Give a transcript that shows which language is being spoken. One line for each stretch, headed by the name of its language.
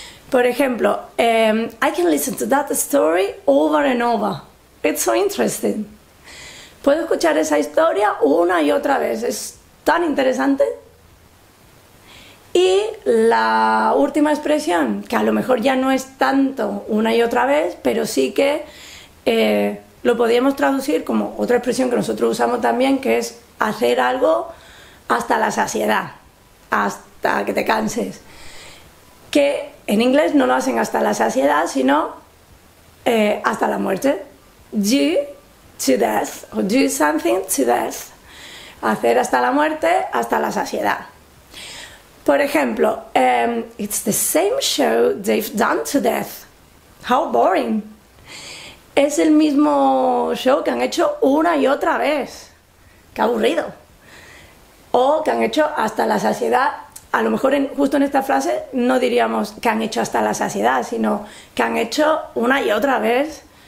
Spanish: Por ejemplo,
English: I can listen to that story over and over. It's so interesting.
Spanish: Puedo escuchar esa historia una y otra vez. Es tan interesante. Y la última expresión, que a lo mejor ya no es tanto una y otra vez, pero sí que lo podríamos traducir como otra expresión que nosotros usamos también, que es hacer algo hasta la saciedad. Hasta que te canses, que en inglés no lo hacen hasta la saciedad, sino hasta la muerte.
English: Do to death, o do something to death.
Spanish: Hacer hasta la muerte, hasta la saciedad. Por ejemplo,
English: it's the same show they've done to death. How boring.
Spanish: Es el mismo show que han hecho una y otra vez. Qué aburrido. O que han hecho hasta la saciedad. A lo mejor justo en esta frase no diríamos que han hecho hasta la saciedad, sino que han hecho una y otra vez